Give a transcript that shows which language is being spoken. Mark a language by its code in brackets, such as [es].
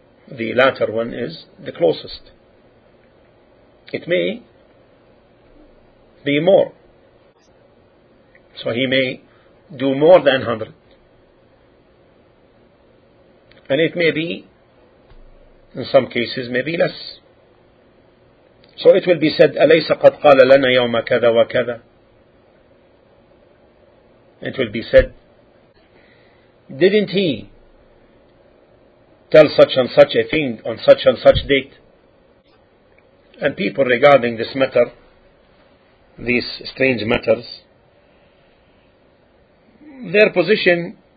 [en] The latter one is the closest. It may be more. So he may do more than 100. And it may be, in some cases, maybe less. So it will be said, [ar] أَلَيْسَ قَدْ قَالَ لَنَا يَوْمَ كَذَا وَكَذَا. [en] It will be said, didn't he tell such and such a thing on such and such date? And people regarding this matter, these strange matters, their position